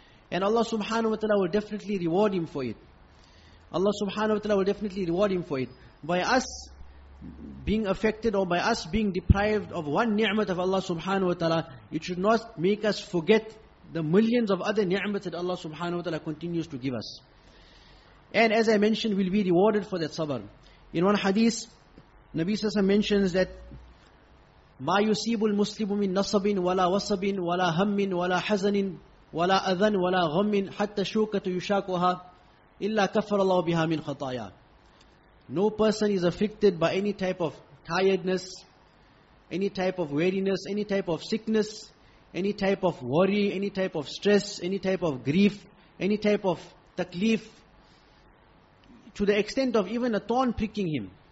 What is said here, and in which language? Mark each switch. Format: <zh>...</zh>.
<en>And Allah subhanahu wa ta'ala will definitely reward him for it. Allah subhanahu wa ta'ala will definitely reward him for it. By us being affected or by us being deprived of one ni'mat of Allah subhanahu wa ta'ala, it should not make us forget the millions of other ni'mat that Allah subhanahu wa ta'ala continues to give us. And as I mentioned, we'll be rewarded for that sabr. In one hadith, Nabi Sasa mentions that</en> <ar>مَا يُسِيبُ الْمُسْلِمُ مِنْ نَصَبٍ وَلَا وَصَبٍ وَلَا هَمٍ وَلَا حَزَنٍ وَلَا أَذَنْ وَلَا غَمٍ حَتَّى شُوكَةُ يُشَاكُهَا إِلَّا كَفَرَ اللَّهُ بِهَا مِنْ خَطَايَا.</ar> <en>No person is afflicted by any type of tiredness, any type of weariness, any type of sickness, any type of worry, any type of stress, any type of grief, any type of taklif, to the extent of even a thorn pricking him.</en>